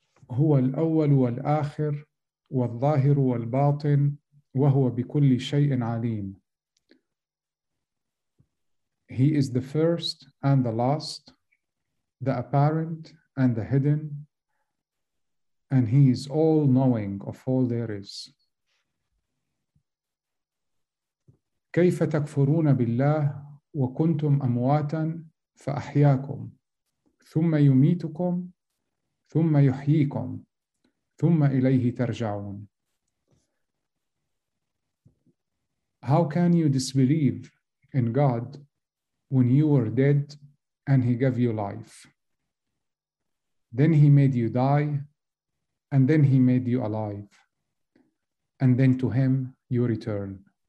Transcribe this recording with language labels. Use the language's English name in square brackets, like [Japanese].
[Arabic] هو الأول والآخر والظاهر والباطن وهو بكل شيء عليم. [English] He is the first and the last, the apparent and the hidden, and he is all knowing of all there is. [Arabic] كيف تكفرون بالله وكنتم أمواتا فأحياكم ثم يميتكم ثم يحييكم ثم إليه ترجعون. [English] How can you disbelieve in God when you were dead and he gave you life? Then he made you die, and then he made you alive, and then to him you return.